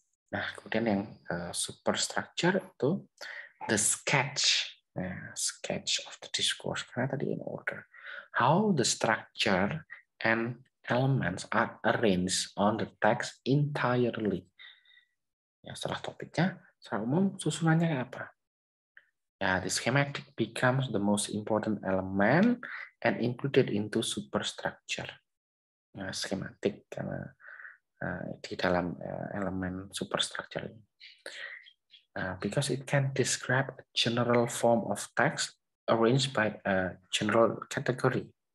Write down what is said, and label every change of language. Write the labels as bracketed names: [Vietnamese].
[Indonesian] Nah, kemudian yang superstructure itu [English] the sketch. [Indonesian] Nah, [English] sketch of the discourse. [Indonesian] Karena tadi [English] in order. How the structure and elements are arranged on the text entirely. [Indonesian] Ya, setelah topiknya, secara umum susunannya apa? [English] Ya, the schematic becomes the most important element and included into superstructure. [Indonesian] Nah, schematic karena di dalam elemen superstructure ini. [English] Because it can describe a general form of text arranged by a general category.